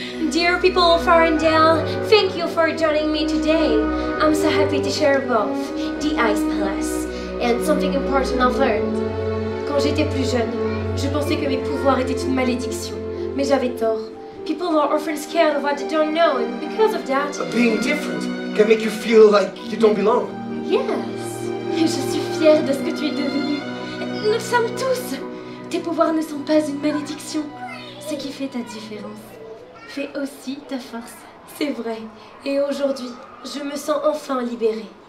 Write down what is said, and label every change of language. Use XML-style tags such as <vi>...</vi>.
<en>Dear people of Arendelle, thank you for joining me today. I'm so happy to share both the Ice Palace. And something important I've learned.</en> <fr>Quand j'étais plus jeune, je pensais que mes pouvoirs étaient une malédiction. Mais j'avais tort.</fr> <en>People are often scared of what they don't know, and because of that... Being different can make you feel like you don't belong. Yes.</en> <fr>Et je suis fière de ce que tu es devenue. Nous sommes tous. Tes pouvoirs ne sont pas une malédiction. Ce qui fait ta différence fait aussi ta force. C'est vrai. Et aujourd'hui, je me sens enfin libérée.</fr>